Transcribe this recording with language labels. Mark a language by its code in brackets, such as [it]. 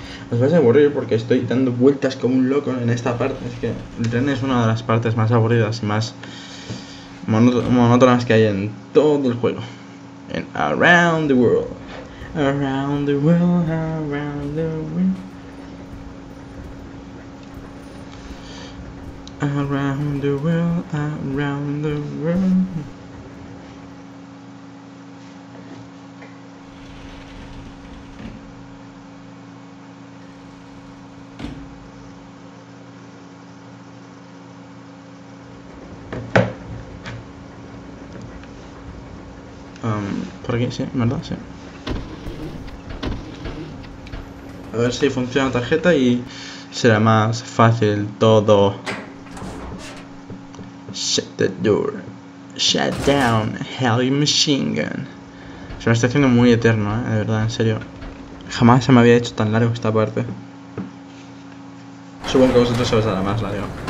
[es] Os vais a aburrir porque estoy dando vueltas como un loco en esta parte. Es que el tren es una de las partes más aburridas y más monótonas que hay en todo el juego. En Around the World. [en] Around the world, around the world. Around the world, around the world. [es] Por aquí, sí, ¿verdad? Sí. A ver si funciona la tarjeta y será más fácil todo. [en] Shut the door. Shut down, heavy machine gun. [es] Se me está haciendo muy eterno, ¿eh? De verdad, en serio. Jamás se me había hecho tan largo esta parte. Supongo que vosotros sabéis nada más, la digo.